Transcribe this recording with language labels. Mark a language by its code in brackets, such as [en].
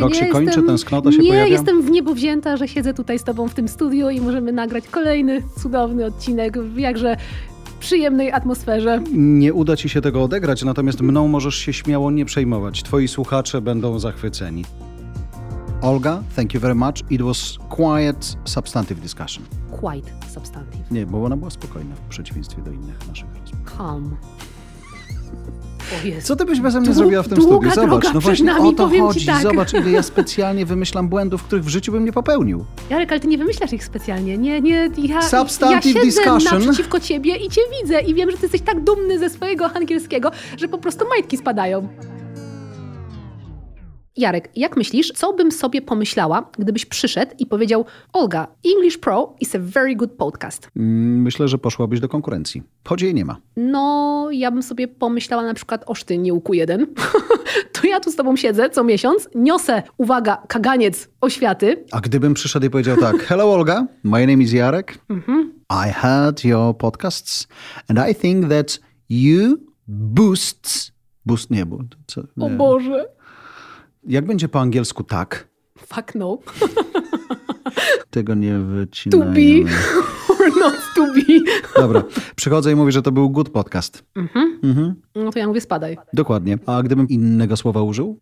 [pl] Rok się kończy, tęsknota się pojawia? Nie, jestem w niebo wzięta, że siedzę tutaj z tobą w tym studiu i możemy nagrać kolejny cudowny odcinek w jakże przyjemnej atmosferze. Nie uda ci się tego odegrać, natomiast mną możesz się śmiało nie przejmować. Twoi słuchacze będą zachwyceni. [en] Olga, thank you very much. It was quiet, substantive discussion. Quite substantive. [pl] Nie, bo ona była spokojna w przeciwieństwie do innych naszych rozmów. [en] Calm. [pl] Co ty byś beze mnie zrobiła w tym studiu? Zobacz, droga no właśnie nami, o to chodzi. Tak. Zobacz, ile ja specjalnie wymyślam błędów, których w życiu bym nie popełnił. Jarek, ale ty nie wymyślasz ich specjalnie. Nie. [en] Substantive discussion. [pl] Siedzę naprzeciwko ciebie i cię widzę i wiem, że ty jesteś tak dumny ze swojego angielskiego, że po prostu majtki spadają. Jarek, jak myślisz, co bym sobie pomyślała, gdybyś przyszedł i powiedział: Olga, [en] English Pro is a very good podcast. [pl] Myślę, że poszłabyś do konkurencji. Choć jej nie ma. No, ja bym sobie pomyślała na przykład o Sztynie UQ1. To ja tu z tobą siedzę co miesiąc, niosę, uwaga, kaganiec oświaty. A gdybym przyszedł i powiedział tak: [en] Hello Olga, my name is Jarek. I heard your podcasts and I think that you boosts. [pl] O Boże. Jak będzie po angielsku tak? [en] Fuck no. [pl] Tego nie wycinajmy. [en] To be or not to be. [pl] Dobra, przychodzę i mówię, że to był [en] good podcast. [pl] Mhm. No to ja mówię spadaj. Dokładnie. A gdybym innego słowa użył?